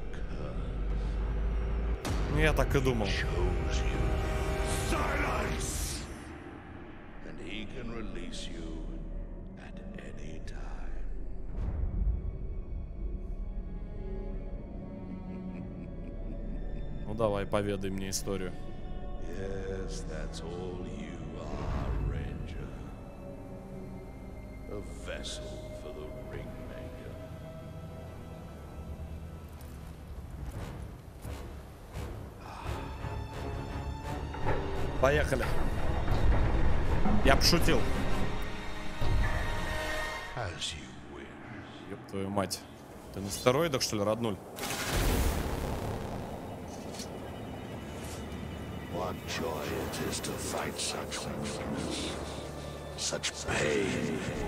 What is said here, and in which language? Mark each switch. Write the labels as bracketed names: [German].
[Russian] curse. Я так и думал. [English] Chose you. Silence! And he can release you at any time. [Russian] Ну давай, поведай мне историю. [English] Yes, that's all you are, Ranger. A vessel for the Ringmaker. [Russian] Поехали. Я пошутил. [English] As you wish. [Russian] Ёб твою мать. Ты на стероидах, что ли, роднуль? [English] What joy it is to fight such weakness, such pain.